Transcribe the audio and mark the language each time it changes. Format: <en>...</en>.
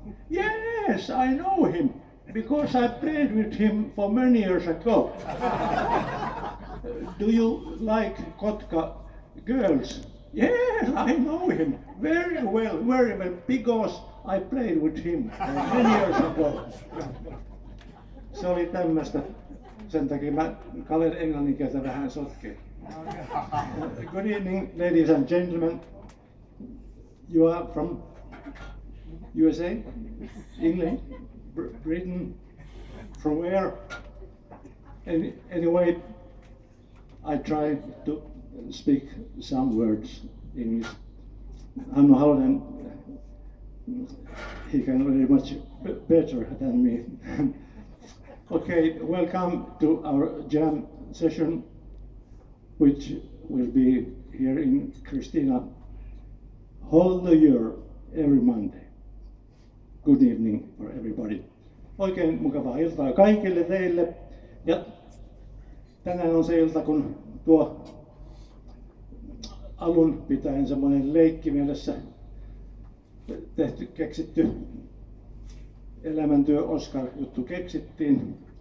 <en>Yes, I know him, because I played with him for many years ago. Do you like Kotka girls? Yes, I know him very well, because I played with him many years ago.</en> <fi>Se oli tämmöistä. Sen takia mä kalen englannin kieltä vähän sotkeen.</fi> <en>Good evening, ladies and gentlemen. You are from USA? England? Britain? From where? Anyway, I try to speak some words in English. Hannu Halonen, he can very much better than me. Okay, welcome to our jam session, which will be here in Christina Hall the year every Monday. Good evening for everybody.</en> <fi>Oikein mukavaa iltaa kaikille teille. Ja tänään on se ilta, kun tuo alun pitäen semmoinen leikki mielessä tehty, keksitty elämäntyö Oscar juttu keksittiin.</fi>